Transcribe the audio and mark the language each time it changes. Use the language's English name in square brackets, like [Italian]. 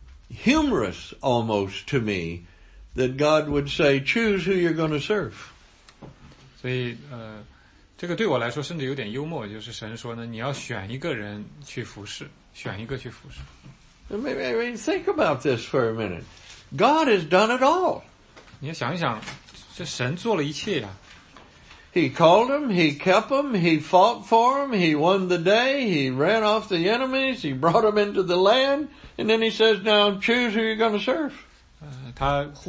[English] humorous almost to me that God would say, choose who you're going to serve. [Chinese] 所以, 这个对我来说甚至有点幽默, 就是神说呢, 你要选一个人去服侍, 选一个去服侍。 [English] Maybe think about this for a minute. God has done it all. [Chinese] 你要想一想, 这神做了一切啊。 [English] He called him, he kept him, he fought for him, he won the day, he ran off the enemies, he brought him into the land, and then he says, now choose who you're going to serve.